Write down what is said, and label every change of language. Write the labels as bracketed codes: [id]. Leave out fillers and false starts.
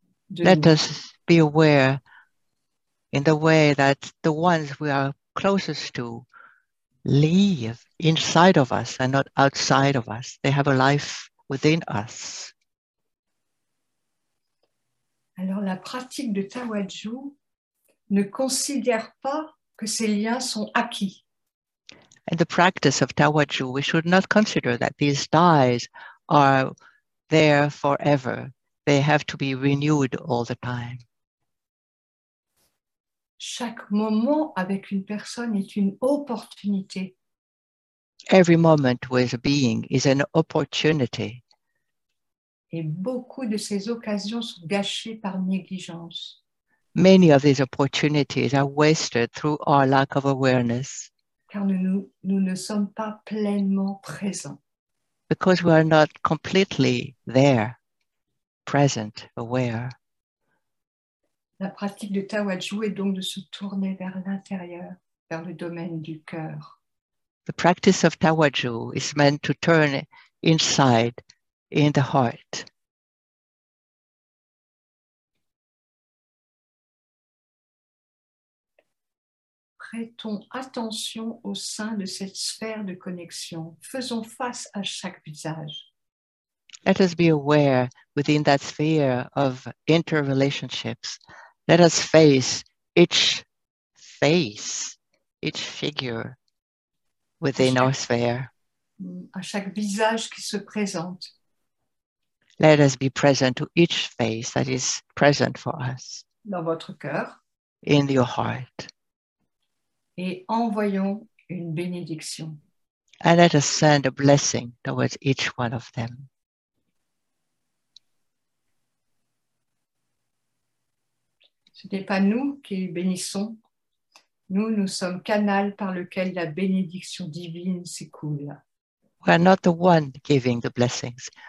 [fr] de nous. [en] Let us be aware in the way that the ones we are closest to live inside of us and not outside of us. They have a life within us. [fr] Alors la pratique de Tawadju ne considère pas que ces liens sont acquis. [en] In the practice of Tawadju, we should not consider that these ties are there forever. They have to be renewed all the time. [fr] Chaque moment avec une personne est une opportunité. [en] Every moment with a being is an opportunity. [fr] Et beaucoup de ces occasions sont gâchées par négligence. [en] Many of these opportunities are wasted through our lack of awareness. [fr] Car nous ne sommes pas pleinement présents. [en] Because we are not completely there, present, aware. [fr] La pratique de Tawadju est donc de se tourner vers l'intérieur, vers le domaine du cœur. [en] The practice of Tawadju is meant to turn inside, in the heart. [fr] Prêtons attention au sein de cette sphère de connexion. Faisons face à chaque visage. [en] Let us be aware within that sphere of interrelationships. Let us face each figure within our sphere. [fr] À chaque visage qui se présente. [en] Let us be present to each face that is present for us. [fr] Dans votre cœur. [en] In your heart. [fr] Et envoyons une bénédiction. [en] And let us send a blessing towards each one of them. [fr] Ce n'est pas nous qui bénissons. Nous sommes canal par lequel la bénédiction divine s'écoule. [en] We are not the one giving the blessings.